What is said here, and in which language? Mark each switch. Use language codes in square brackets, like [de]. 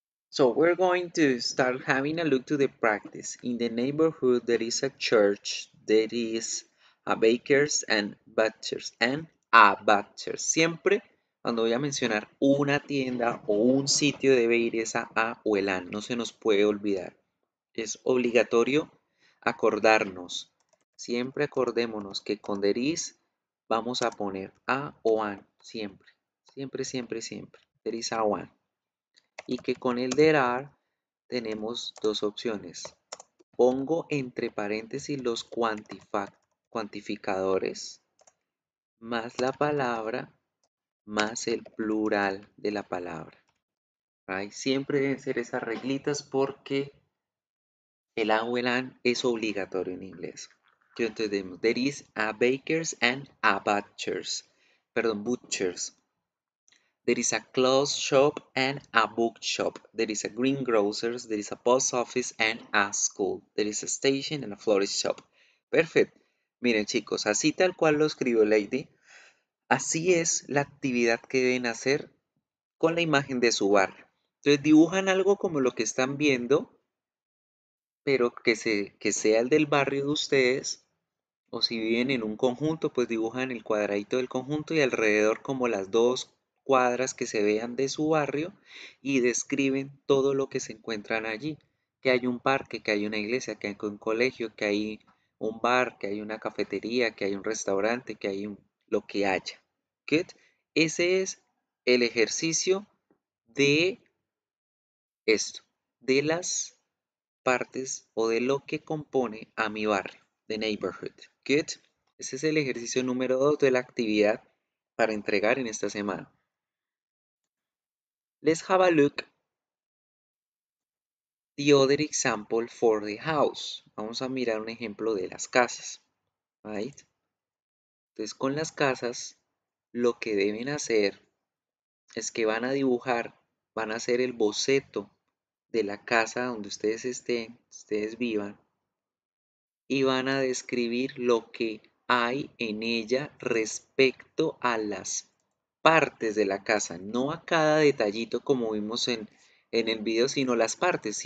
[en] So we're going to start having a look to the practice. In the neighborhood, there is a church, there is a baker's and butcher's and a butcher's. [es] Siempre cuando voy a mencionar una tienda o un sitio debe ir esa a o el a. No se nos puede olvidar. Es obligatorio acordarnos. Siempre acordémonos que con there is vamos a poner a o an. Siempre. Siempre, siempre, siempre. [en] There is a one. [es] Y que con el there are tenemos dos opciones. Pongo entre paréntesis los cuantificadores más la palabra más el plural de la palabra. Right? Siempre deben ser esas reglitas porque el a o el an es obligatorio en inglés. Entonces tenemos, [en] there is a bakers and a butchers. [es] Perdón, butchers. [en] There is a clothes shop and a bookshop. There is a greengrocer's. There is a post office and a school. There is a station and a florist shop. Perfect. [es] Miren, chicos, así tal cual lo escribió Lady, así es la actividad que deben hacer con la imagen de su barrio. Entonces dibujan algo como lo que están viendo, pero que sea el del barrio de ustedes. O si viven en un conjunto, pues dibujan el cuadradito del conjunto y alrededor como las dos cuadras que se vean de su barrio y describen todo lo que se encuentran allí. Que hay un parque, que hay una iglesia, que hay un colegio, que hay un bar, que hay una cafetería, que hay un restaurante, que hay lo que haya. ¿Good? Ese es el ejercicio de esto, de las partes o de lo que compone a mi barrio, the neighborhood. Good. Ese es el ejercicio número 2 de la actividad para entregar en esta semana. [en] Let's have a look the other example for the house. [es] Vamos a mirar un ejemplo de las casas. Right? Entonces, con las casas, lo que deben hacer es que van a dibujar, van a hacer el boceto de la casa donde ustedes estén, ustedes vivan, y van a describir lo que hay en ella respecto a las partes de la casa, no a cada detallito como vimos en el video, sino las partes.